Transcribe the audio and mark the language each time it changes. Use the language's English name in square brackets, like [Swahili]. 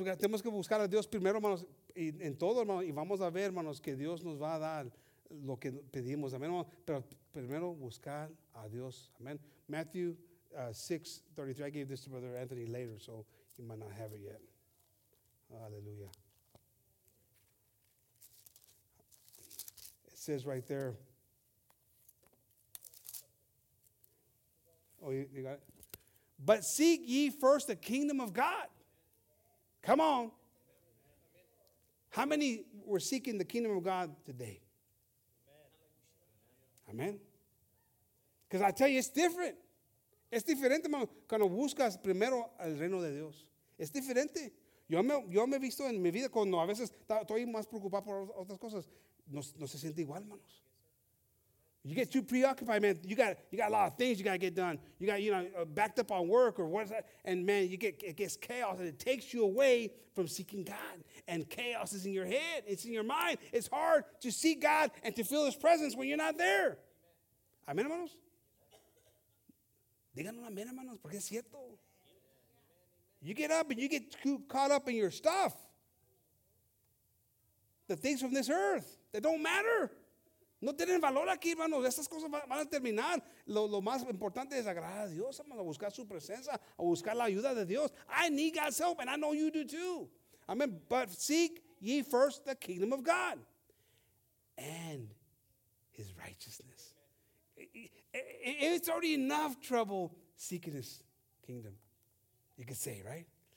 [Spanish] Tenemos que buscar a Dios primero, hermanos, en todo, hermanos. Y vamos a ver, hermanos, que Dios nos va a dar lo que pedimos, amen. Pero primero buscar a Dios, amen. [English] Matthew 6:33. I gave this to Brother Anthony later, so he might not have it yet. Hallelujah. It says right there. Oh, you got it? But seek ye first the kingdom of God. Come on. How many were seeking the kingdom of God today? Amen. Because I tell you, it's different. [Spanish] Es diferente, hermano, cuando buscas primero el reino de Dios. Es diferente. Yo me he visto en mi vida cuando a veces estoy más preocupado por otras cosas. No se siente igual, hermanos. [English] You get too preoccupied, man. You got a lot of things you got to get done. You got, you know, backed up on work or what's that. And, man, it gets chaos and it takes you away from seeking God. And chaos is in your head. It's in your mind. It's hard to seek God and to feel his presence when you're not there. Amen, hermanos. [Spanish] Digan un amén, hermanos, porque es cierto. [English] You get up and you get too caught up in your stuff. The things from this earth, they don't matter. [Spanish] No tienen valor aquí, hermanos. Estas cosas van a terminar. Lo más importante es agradar a Dios, hermanos, a buscar su presencia, a buscar la ayuda de Dios. [English] I need God's help, and I know you do too. Amen. But seek ye first the kingdom of God and his righteousness. It's already enough trouble seeking his kingdom, you could say, right?